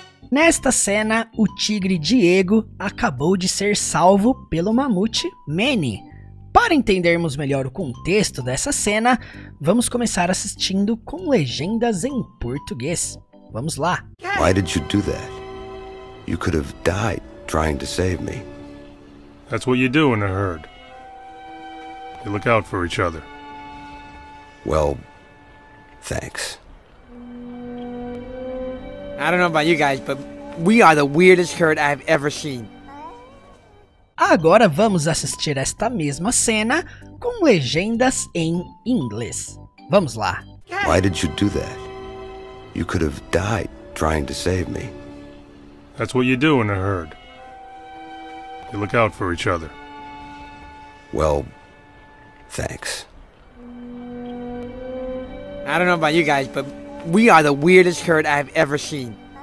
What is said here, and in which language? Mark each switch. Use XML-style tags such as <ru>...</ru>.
<pt>Nesta cena, o tigre Diego acabou de ser salvo pelo mamute Manny. Para entendermos melhor o contexto dessa cena, vamos começar assistindo com legendas em português. Vamos lá.</pt> <en>Why did you do that? You could have died trying to save me. That's what you do in a herd. You look out for each other. Well, thanks. I don't know about you guys, but we are the weirdest herd I've ever seen.</en> <pt>Agora vamos assistir esta mesma cena com legendas em inglês. Vamos lá.</pt> <en>Why did you do that? You could have died trying to save me. That's what you do in a herd. You look out for each other. Well, thanks. I don't know about you guys, but we are the weirdest herd I've ever seen.</en>